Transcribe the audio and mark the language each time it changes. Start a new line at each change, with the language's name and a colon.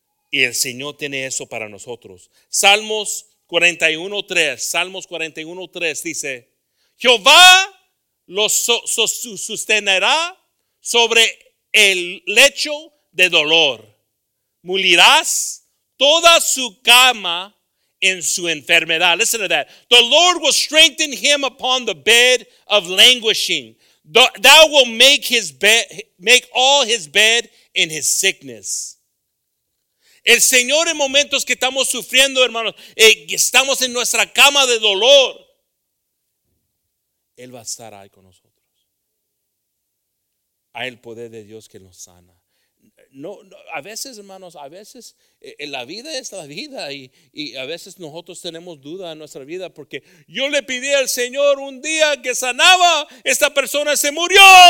Spanish: Y el Señor tiene eso para nosotros. Salmos 41:3. Salmos 41:3 dice: Jehová los sostenerá sobre el lecho de dolor. Mulirás toda su cama en su enfermedad.
English: Listen to that. The Lord will strengthen him upon the bed of languishing. Thou will make his bed, make all his bed in his sickness.
Spanish: El Señor en momentos que estamos sufriendo, hermanos, estamos en nuestra cama de dolor, Él va a estar ahí con nosotros. Hay el poder de Dios que nos sana. No, a veces, hermanos, a veces la vida es la vida y a veces nosotros tenemos duda en nuestra vida porque yo le pedí al Señor un día que sanaba, esta persona se murió.